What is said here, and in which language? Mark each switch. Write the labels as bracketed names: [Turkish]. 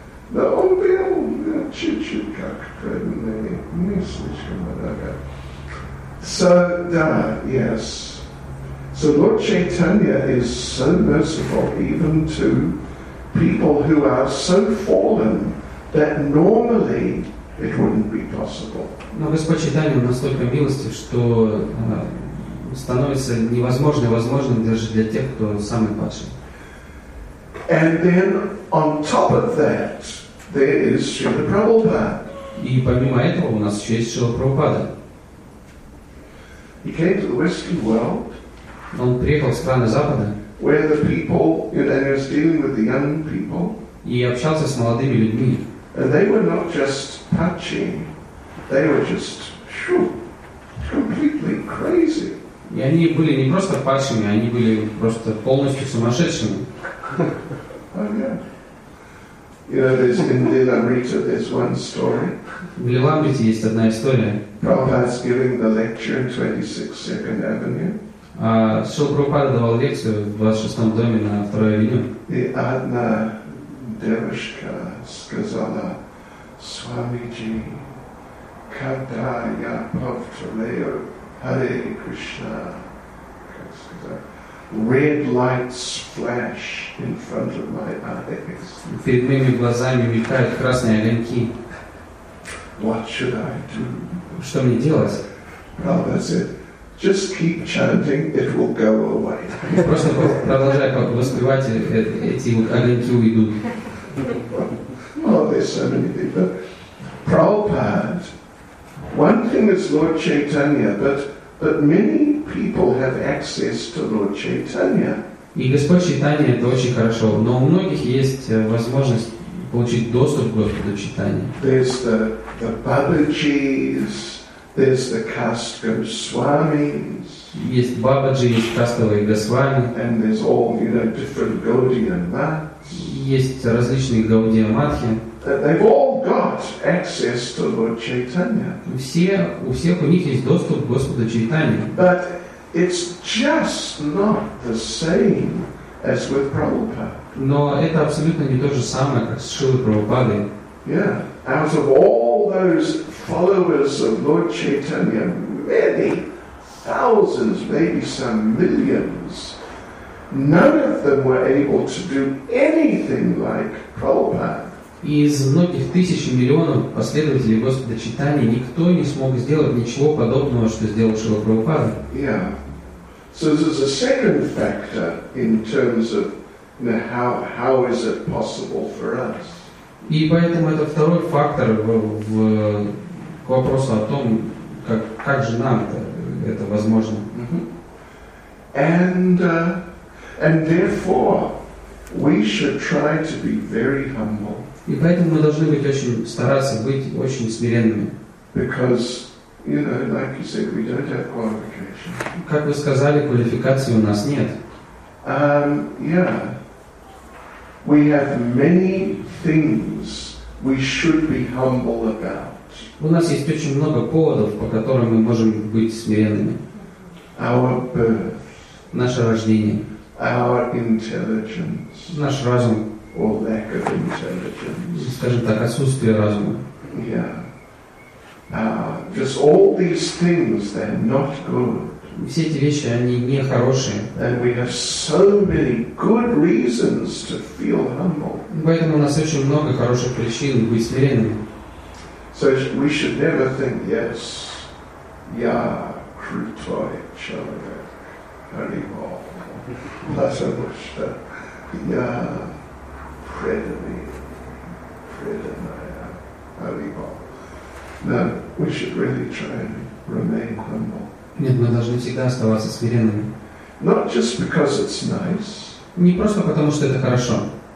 [Russian] Но он был чуть-чуть как преданный, не слишком много. [English] So, [Russian] да, [English] yes. So Lord Chaitanya is so merciful even to people who are so fallen that normally it wouldn't be possible. [Russian] Но Господь Чайтанья настолько милостив, что становится невозможным возможным даже для тех, кто самый падший. [English] And then on top of that, there is Srila Prabhupada. [Russian] И помимо этого у нас еще есть Шрила Прабхупада. [English] He came to the Western world. [Russian] Он приехал в страны Запада. [English] Where the people, you know, he was dealing with the young people. [Russian] И общался с молодыми людьми. [English] And they were not just patchy, they were just completely crazy. [Russian] И они были не просто патчами, они были просто полностью сумасшедшими. [English] You know, there's in Lilamrita there's one story. [Russian] В Лиламрите есть одна история. [English] Prabhupada's giving the lecture in 26 Second Avenue. [Russian] Шрила Прабхупада давал лекцию в 26-м доме на 2-й авеню. И одна девушка сказала: «Свамиджи, когда я повторяю Харе Кришна, [English] red lights flash in front of my eyes». [Russian] Перед моими глазами мелькают красные огоньки. [English] What should I do? [Russian] Что мне делать? [English] Prabhupada said, just keep chanting, it will go away. [Russian] Просто продолжай воспевать, эти огоньки уйдут. [English] Oh, there's so many people. Prabhupada, one thing is Lord Chaitanya, but many people have access to Lord Chaitanya. [Russian] И Господь Чайтанья это очень хорошо, но у многих есть возможность получить доступ к Господу Чайтанья. [English] There's the Babaji's. There's the caste Goswamis. [Russian] Есть Бабаджи, есть кастовые Госвами. [English] And there's all, you know, different Gaudiya Mathas. [Russian] Есть различные Gaudiya Mathas. [English] They've all God's access to Lord Chaitanya. [Russian] У всех у них есть доступ к Господу Чайтанье. [English] But it's just not the same as with Prabhupada. [Russian] Но это абсолютно не то же самое, как с Шрилой Прабхупадой. [English] Yeah. Out of all those followers of Lord Chaitanya, many thousands, maybe some millions, none of them were able to do anything like Prabhupada. [Russian] Из многих тысяч и миллионов последователей Господа Чайтаньи никто не смог сделать ничего подобного, что сделал Шрила Прабхупада. [English] Yeah. So there's a second factor in terms of how is it possible for us? [Russian] И поэтому это второй фактор к вопросу о том, как же нам это возможно. [English] And therefore we should try to be very humble. [Russian] И поэтому мы должны стараться быть очень смиренными. [English] Because, you know, like you said, we don't have qualifications. [Russian] Как вы сказали, квалификации у нас нет. [English] Yeah. We have many things we should be humble about. [Russian] У нас есть очень много поводов, по которым мы можем быть смиренными. [English] Our birth. [Russian] Наше рождение. [English] Our intelligence. [Russian] Наш разум. [English] Or lack of intelligence. [Russian] Скажем так, отсутствие разума. [English] Yeah. Just all these things, they're not good. [Russian] Все эти вещи, они не хорошие. [English] And we have so many good reasons to feel humble. [Russian] Поэтому у нас очень много хороших причин быть смиренными. [English] So we should never think, yes, [Russian] я крутой человек, Харибол, Лазабушта, я преданная, [English] Харибол. No, we should really try and remain humble. [Russian] Нет, мы должны всегда оставаться смиренными. [English] Not just because it's nice, [Russian] не просто потому, что это хорошо,